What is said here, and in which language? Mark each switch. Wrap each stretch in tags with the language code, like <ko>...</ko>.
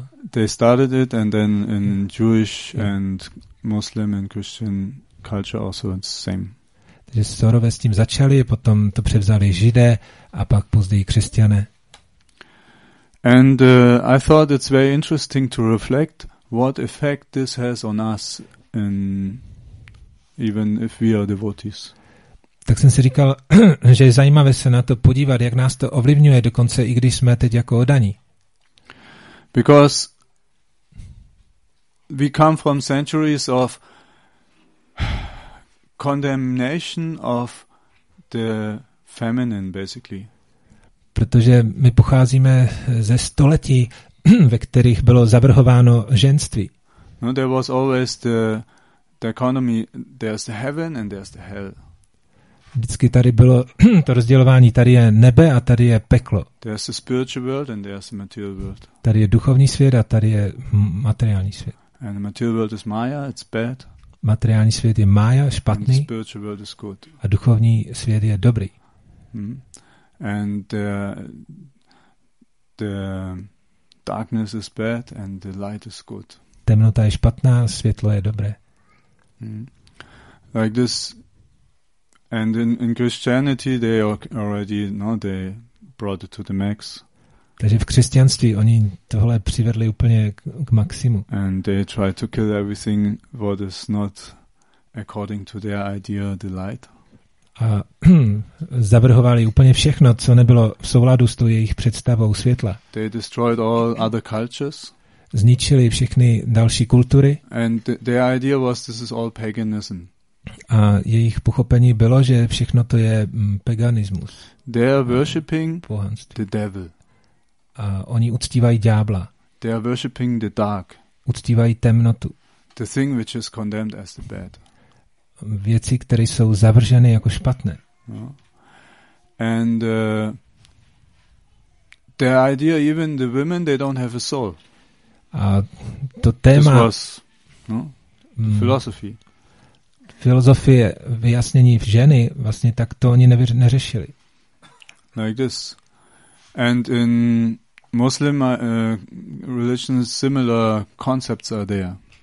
<en>They started it, and then in Jewish and Muslim and Christian culture also it's the same.</en> <cs>Takže Zorové s tím začali, potom to převzali Židé a pak později křesťané.</cs> <en>And I thought it's very interesting to reflect what effect this has on us, in, even if we are devotees.</en> <cs>Tak jsem si říkal, že je zajímavé se na to podívat, jak nás to ovlivňuje, dokonce i když jsme teď jako oddaní.</cs> <en>Because we come from centuries of condemnation of the feminine, basically.</en> <cs>Protože my pocházíme ze století, ve kterých bylo zavrhováno ženství.</cs> <en>No, there was always the dichotomy, there's the heaven and there's the hell.</en> <cs>Vždycky tady bylo to rozdělování, tady je nebe a tady je peklo.</cs> <en>There's the spiritual world and there's the material world.</en> <cs>Tady je duchovní svět a tady je materiální svět.</cs> <en>And the material world is maya, it's bad.</en> <cs>Materiální svět je maya, špatný.</cs> <en>And the spiritual world is good.</en> <cs>A duchovní svět je dobrý.</cs> <en>And the darkness is bad and the light is good.</en> <cs>Temnota je špatná, světlo je dobré.</cs> <en>Like this, and in Christianity they already, no, they brought it to the max.</en> <cs>Takže v křesťanství oni tohle přivedli úplně k maximu.</cs> <en>And they try to kill everything what is not according to their idea of the light.</en> <cs>A zavrhovali úplně všechno, co nebylo v souladu s tou jejich představou světla.</cs> <en>They destroyed all other cultures.</en> <cs>Zničili všechny další kultury.</cs> <en>And their idea was this is all paganism.</en> <cs>A jejich pochopení bylo, že všechno to je paganismus.</cs> <en>They are worshipping the devil.</en> <cs>A oni uctívají ďábla.</cs> <en>They are worshipping the dark.</en> <cs>Uctívají temnotu.</cs> <en>The thing which is condemned as the bad.</en> <cs>Věci, které jsou zavrženy jako špatné. No.</cs> <en>And the idea even the women they don't have a soul.</en> <cs>A to téma.</cs> <en>This was, no, philosophy.</en> <cs>Filozofie vyjasnění v ženy vlastně tak to oni neřešili.</cs> <en>Like this. And in Muslim religions similar concepts are there.</en>